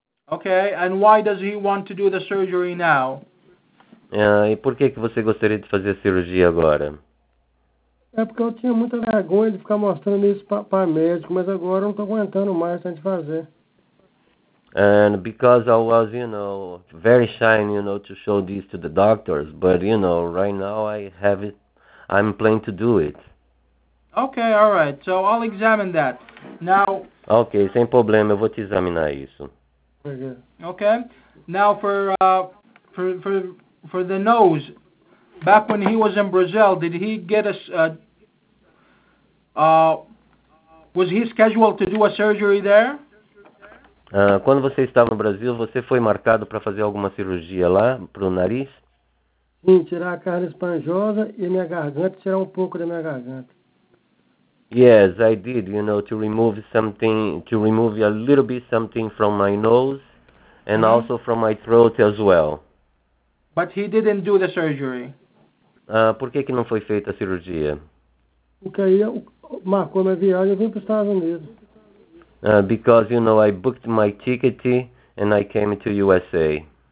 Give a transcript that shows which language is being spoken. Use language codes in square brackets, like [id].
[en] Okay, and why does he want to do the surgery now? [pt] E por que que você gostaria de fazer a cirurgia agora? É porque eu tinha muita vergonha de ficar mostrando isso para médico, mas agora eu não estou aguentando mais antes de fazer. [en] And because I was, you know, very shy, you know, to show this to the doctors, but, you know, right now I have it, I'm planning to do it. Okay, all right, so I'll examine that. Now... [pt] Okay, sem problema, eu vou te examinar isso. [en] Okay, now for the nose, back when he was in Brazil, did he get a... was he scheduled to do a surgery there? [pt] Quando você estava no Brasil, você foi marcado para fazer alguma cirurgia lá, para o nariz? Sim, tirar a carne esponjosa e minha garganta, tirar um pouco da minha garganta. [en] Yes, I did, you know, to remove a little bit something from my nose and also from my throat as well. But he didn't do the surgery. [pt] Por que que não foi feita a cirurgia? Porque aí marcou minha viagem e vim para os Estados Unidos. [en] Because, you know, I booked my ticket and I came to USA.